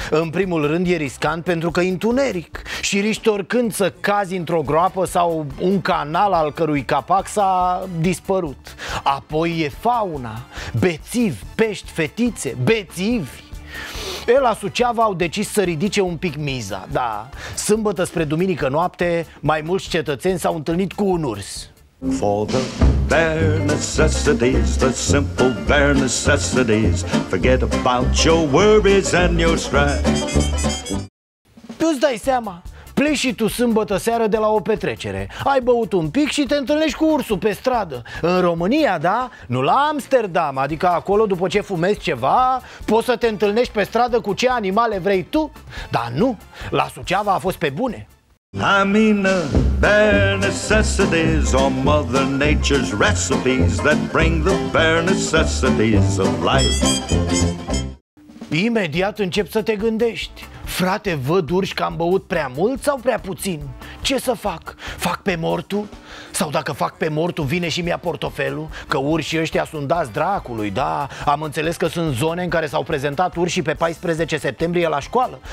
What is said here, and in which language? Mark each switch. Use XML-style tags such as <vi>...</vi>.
<ro>În primul rând e riscant pentru că e întuneric și riști oricând să cazi într-o groapă sau un canal al cărui capac s-a dispărut. Apoi e fauna, bețivi, pești, fetițe, bețivi. La Suceava au decis să ridice un pic miza. Da, sâmbătă spre duminică noapte, mai mulți cetățeni s-au întâlnit cu un urs.</ro> <en>For the bare necessities, the simple bare necessities, forget about your worries and your strife.</en> <ro>Tu-ți dai seama? Pleci și tu sâmbătă seară de la o petrecere. Ai băut un pic și te întâlnești cu ursul pe stradă. În România, da? Nu la Amsterdam. Adică acolo, după ce fumezi ceva, poți să te întâlnești pe stradă cu ce animale vrei tu. Dar nu, la Suceava a fost pe bune.</ro> <en>I mean the bare necessities are Mother Nature's recipes that bring the bare necessities of life.</en> <ro>Imediat încep să te gândești. Frate, văd urși că am băut prea mult sau prea puțin? Ce să fac? Fac pe mortul? Sau dacă fac pe mortul, vine și-mi ia portofelul? Că urșii ăștia sunt dați dracului, da? Am înțeles că sunt zone în care s-au prezentat urșii pe 14 septembrie la școală.</ro>